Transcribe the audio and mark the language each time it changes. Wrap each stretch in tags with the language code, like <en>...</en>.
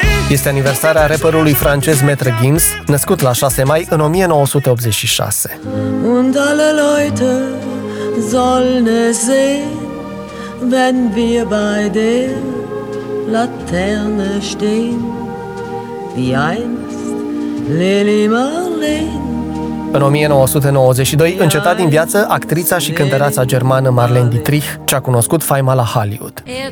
<ro>Este aniversarea rapperului francez Maître Gims, născut la 6 mai în 1986.</ro> <de>Und alle Leute sollen sehen, wenn wir bei der Laterne stehen, wie einst Lili Marlene.</de> <ro>În 1992, înceta din viață actrița și cântăreața germană Marlene Dietrich, ce-a cunoscut faima la Hollywood.</ro>